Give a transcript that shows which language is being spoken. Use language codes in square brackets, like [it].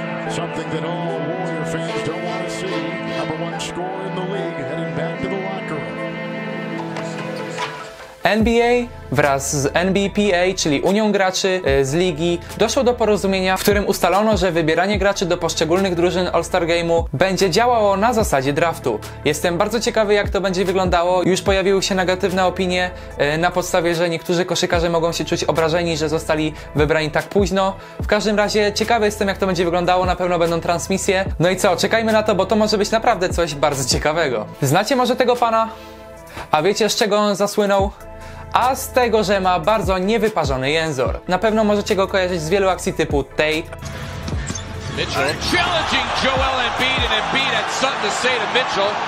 [en] Something that all Warrior fans don't want to see. Number one scorer in the league heading back to the locker room. [pl] NBA wraz z NBPA, czyli Unią Graczy z Ligi, doszło do porozumienia, w którym ustalono, że wybieranie graczy do poszczególnych drużyn All-Star Game'u będzie działało na zasadzie draftu. Jestem bardzo ciekawy, jak to będzie wyglądało. Już pojawiły się negatywne opinie na podstawie, że niektórzy koszykarze mogą się czuć obrażeni, że zostali wybrani tak późno. W każdym razie ciekawy jestem, jak to będzie wyglądało. Na pewno będą transmisje. No i co, czekajmy na to, bo to może być naprawdę coś bardzo ciekawego. Znacie może tego pana? A wiecie, z czego on zasłynął? A z tego, że ma bardzo niewyparzony jęzor. Na pewno możecie go kojarzyć z wielu akcji typu tej. [en] Mitchell challenging Joel Embiid and Embiid had something to say to Mitchell.